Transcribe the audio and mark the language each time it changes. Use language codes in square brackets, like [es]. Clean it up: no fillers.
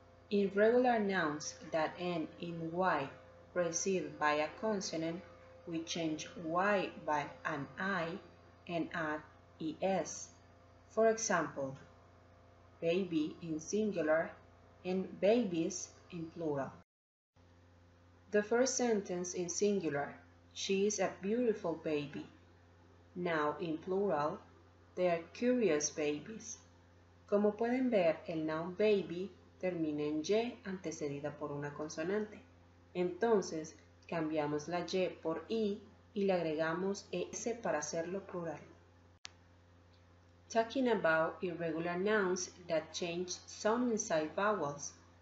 [en] In regular nouns that end in Y preceded by a consonant, we change Y by an I and add ES. For example, baby in singular and babies in plural. The first sentence in singular, she is a beautiful baby. Now in plural, they are curious babies. [es] Como pueden ver, el noun baby termina en y antecedida por una consonante. Entonces, cambiamos la y por i y le agregamos s para hacerlo plural. [en] Talking about irregular nouns that change sound inside vowels.